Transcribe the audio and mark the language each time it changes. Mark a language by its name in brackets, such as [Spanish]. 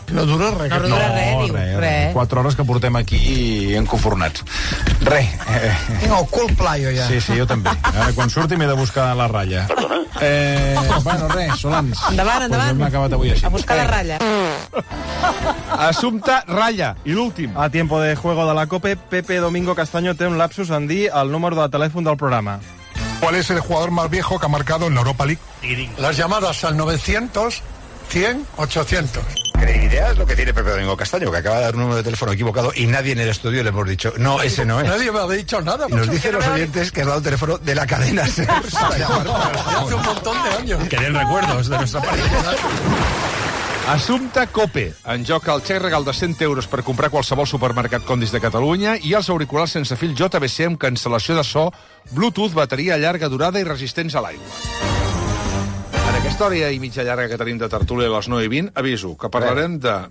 [Catalan] No dura res. No dura res. 4 hores que portem aquí i encofornats. Res. Tinc el cul pla, jo, ja. Sí, jo també. Ara, quan surti m'he de buscar la ratlla. Bueno, res, Solans. Endavant. Pues hem acabat avui així. A buscar la ratlla. Assumpte ratlla. I l'últim. A tiempo de juego de la COPE, Pepe Domingo Castaño té un lapsus en dir el número de telèfon del programa. [Spanish] ¿Cuál es el jugador más viejo que ha marcado en la Europa League? Las llamadas al 900, 100, 800. ¿Creerías lo que tiene Pepe Domingo Castaño, que acaba de dar un número de teléfono equivocado y nadie en el estudio le hemos dicho, no, ese no es? Nadie me ha dicho nada. Y nos dicen los oyentes que ha dado el teléfono de la cadena SER. Hace un montón de años. Querían recuerdos de nuestra pareja. [Catalan] Assumpte COPE. En joc el xec regal de 100 euros per comprar qualsevol supermercat Condis de Catalunya i els auriculars sense fil JBC amb cancel·lació de so, Bluetooth, bateria llarga durada i resistents a l'aigua. Aquesta hora i mitja llarga que tenim de tertúlia a les 9:20, aviso que parlarem de...